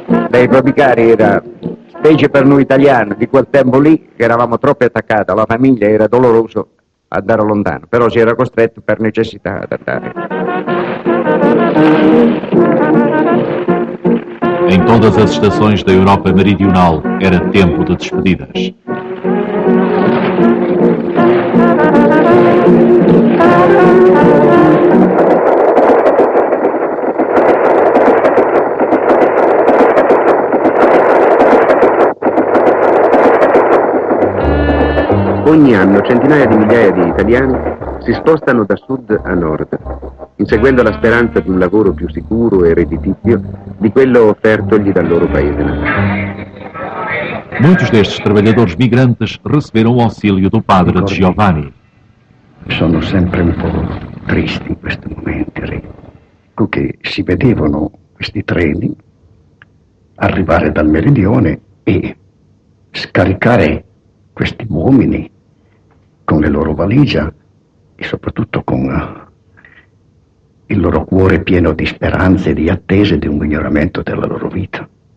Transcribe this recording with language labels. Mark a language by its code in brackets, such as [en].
[it] Dei Robicari era, specie per noi italiani, di quel tempo lì, che eravamo troppo attaccati alla famiglia, era doloroso andare lontano, però si era costretto per necessità ad andare. [pt] Em todas as estações da Europa Meridional, era tempo de despedidas. [it] Ogni anno centinaia di migliaia di italiani si spostano da sud a nord, inseguendo la speranza di un lavoro più sicuro e redditizio di quello offertogli dal loro paese. [pt] Muitos destes trabalhadores migrantes receberam o auxílio do padre di Giovanni. [it] Sono sempre un po' tristi in questo momento, ecco che si vedevano questi treni arrivare dal meridione e scaricare questi uomini con le loro valigie e soprattutto con il loro cuore pieno di speranze e di attese di un miglioramento della loro vita.